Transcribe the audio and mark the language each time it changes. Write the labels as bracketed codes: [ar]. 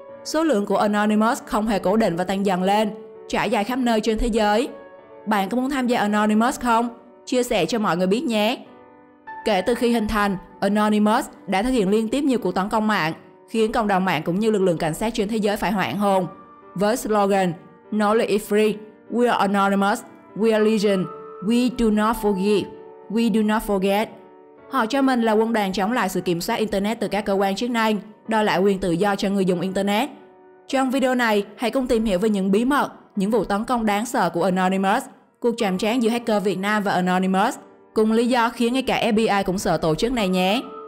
[vi] Số lượng của Anonymous không hề cố định và tăng dần lên, trải dài khắp nơi trên thế giới. Bạn có muốn tham gia Anonymous không? Chia sẻ cho mọi người biết nhé! Kể từ khi hình thành, Anonymous đã thực hiện liên tiếp nhiều cuộc tấn công mạng, khiến cộng đồng mạng cũng như lực lượng cảnh sát trên thế giới phải hoảng hồn. [en] Với slogan, Knowledge is free, we are anonymous, we are legion, we do not forgive, we do not forget. [vi] Họ cho mình là quân đoàn chống lại sự kiểm soát Internet từ các cơ quan chức năng, đòi lại quyền tự do cho người dùng Internet. Trong video này, hãy cùng tìm hiểu về những bí mật, những vụ tấn công đáng sợ của Anonymous, cuộc chạm trán giữa hacker Việt Nam và Anonymous, cùng lý do khiến ngay cả FBI cũng sợ tổ chức này nhé.